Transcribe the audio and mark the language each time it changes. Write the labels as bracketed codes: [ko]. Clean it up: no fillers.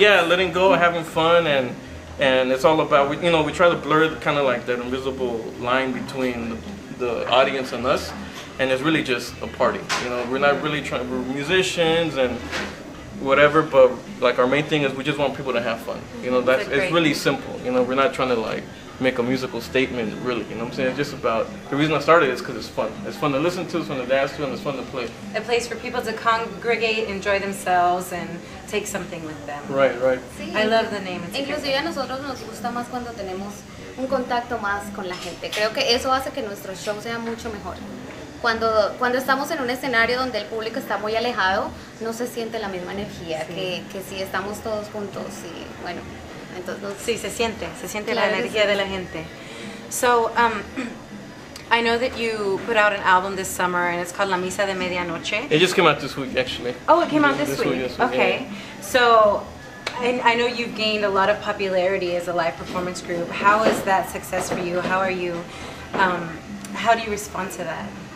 [en] Yeah, letting go, having fun, and it's all about, you know, we try to blur kind of like that invisible line between the audience and us, and it's really just a party, you know, we're not really trying, we're musicians and whatever, but like our main thing is we just want people to have fun, you know, it's really simple, you know, we're not trying to like make a musical statement, really, you know what I'm saying? Just about, the reason I started is because it's fun. It's fun to listen to, it's fun to dance to, and it's fun to play. A place for people to congregate, enjoy themselves, and take something with them. Right. Sí. I love the name. [es] Inclusive a nosotros nos gusta más cuando tenemos un contacto más con la gente. Creo que eso hace que nuestro show sea mucho mejor. Cuando estamos en un escenario donde el público está muy alejado, no se siente la misma energía que si estamos todos juntos y, bueno. Sí, se siente claro, la energía de la gente. [en] So, I know that you put out an album this summer and it's called La Misa de Medianoche. It just came out this week, actually. Oh, it came out this week. Yes, okay. Yeah. So, and I know you've gained a lot of popularity as a live performance group. How is that success for you? How are you, how do you respond to that?